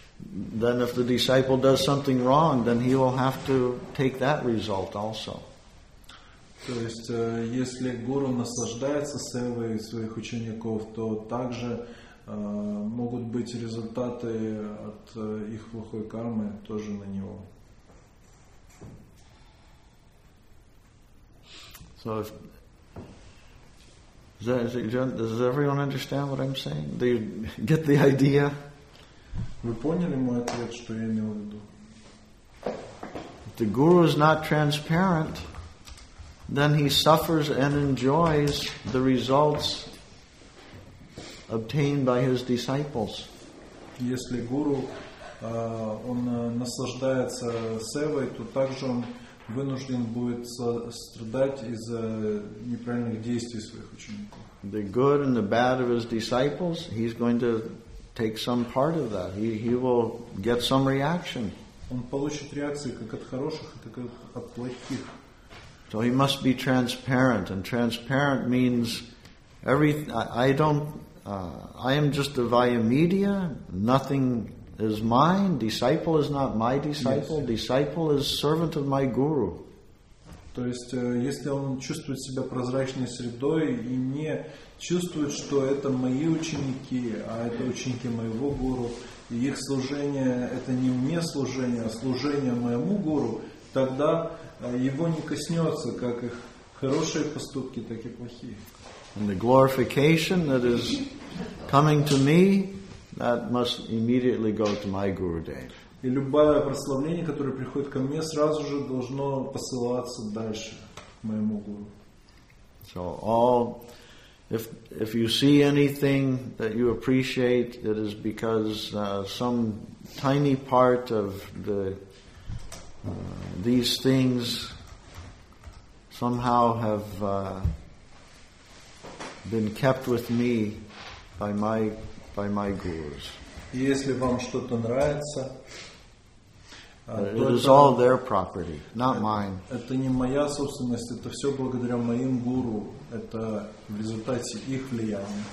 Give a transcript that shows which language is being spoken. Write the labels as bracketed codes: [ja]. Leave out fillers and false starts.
[en] then if the disciple does something wrong, then he will have to take that result also. [ru] То есть, если гуру наслаждается севой своих учеников, то также могут быть результаты от их плохой кармы тоже на него. [en] So, does everyone understand what I'm saying? Do you get the idea? [ru] Вы поняли мой ответ, что я имел в виду? [en] The guru is not transparent, then he suffers and enjoys the results obtained by his disciples. [ru] Если гуру он наслаждается севой, то также он вынужден будет страдать из-за неправильных действий своих учеников. [en] The good and the bad of his disciples, he's going to take some part of that. He will get some reaction. [ru] Он получит реакции как от хороших, так и от плохих. [en] So he must be transparent, and transparent means I am just the vaya media, nothing is mine, disciple is not my disciple, yes. Disciple is servant of my guru. [ru] То есть, если он чувствует себя прозрачной средой и не чувствует, что это мои ученики, а это ученики моего гуру, и их служение это не мне служение, а служение моему гуру, тогда его не коснется как их хорошие поступки, так и плохие. [en] And the glorification that is coming to me, that must immediately go to my Gurudev. [ru] И любое прославление, которое приходит ко мне, сразу же должно посылаться дальше моему гуру. [en] So all, if you see anything that you appreciate, it is because some tiny part of the these things somehow have been kept with me by my gurus. [ru] Если вам что-то нравится, [en] it is all their property, not mine. [ru] Это не моя собственность, это все благодаря моим гуру. Это в результате их влияния.